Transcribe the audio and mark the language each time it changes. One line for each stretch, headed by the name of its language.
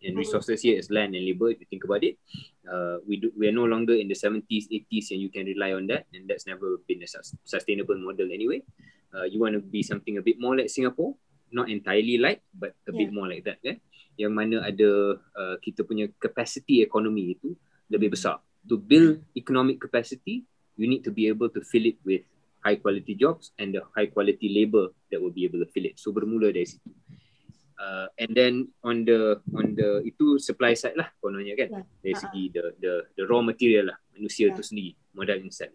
English: And resources here is land and labor, if you think about it. We are no longer in the 70s, 80s and you can rely on that, and that's never been a sustainable model anyway. You want to be something a bit more like Singapore, not entirely like, but a bit more like that. Yeah?
Malay: Yang mana ada kita punya capacity ekonomi itu lebih besar.
English: To build economic capacity, you need to be able to fill it with high quality jobs and the high quality labor that will be able to fill it.
Malay: So bermula dari situ.
English: And then on the
Malay: itu
English: supply side
Malay: lah kononnya, kan? Dari segi
English: the raw material
Malay: lah, manusia itu sendiri, modal insan.